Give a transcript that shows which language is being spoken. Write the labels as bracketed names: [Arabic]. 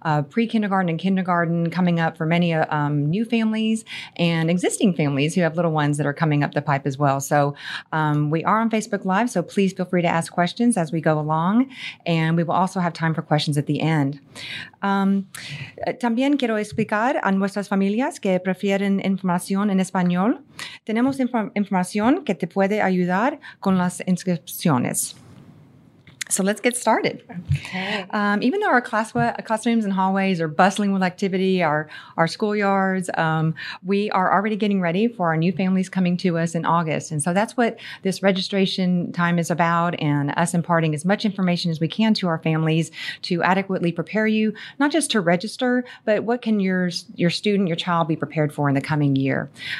[English] Pre-kindergarten and kindergarten coming up for many new families and existing families who have little ones that are coming up the pipe as well. So we are on Facebook Live, so please feel free to ask questions as we go along. And we will also have time for questions at the end. [Spanish] También quiero explicar a nuestras familias que prefieren información en español. Tenemos información que te puede ayudar con las inscripciones. [English] So let's get started. Okay. Even though our classrooms and hallways are bustling with activity, our schoolyards, we are already getting ready for our new families coming to us in August. And so that's what this registration time is about, and us imparting as much information as we can to our families to adequately prepare you, not just to register, but what can your student, your child be prepared for in the coming year.